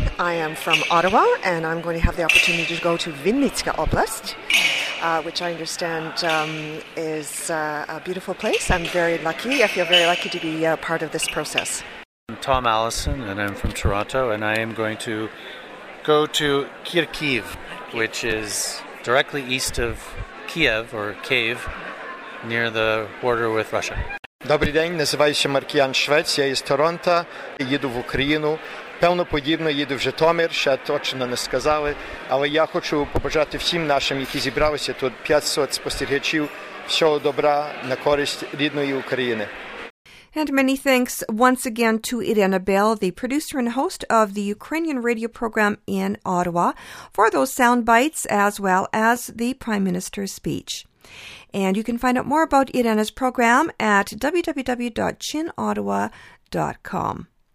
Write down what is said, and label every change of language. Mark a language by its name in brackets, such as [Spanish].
[English] I am from Ottawa, and I'm going to have the opportunity to go to Vinnytska Oblast, which I understand is a beautiful place. I'm very lucky. I feel very lucky to be part of this process. I'm Tom Allison, and I'm from Toronto, and I am going to go to Kharkiv, which is directly east of Kiev, or Kyiv, near the border with Russia. [Ukrainian] Добрий день, називаюся Маркіян Швець, я із Торонто, їду в Україну. Певно, подібно, їду в Житомир, ще точно не сказали, але я хочу побажати всім нашим, які зібралися тут, 500 спостерігачів, всього добра на користь рідної України. [English] And many thanks once again to Irina Bell, the producer and host of the Ukrainian radio program in Ottawa, for those sound bites as well as the Prime Minister's speech. And you can find out more about Irina's program at www.chinottawa.com.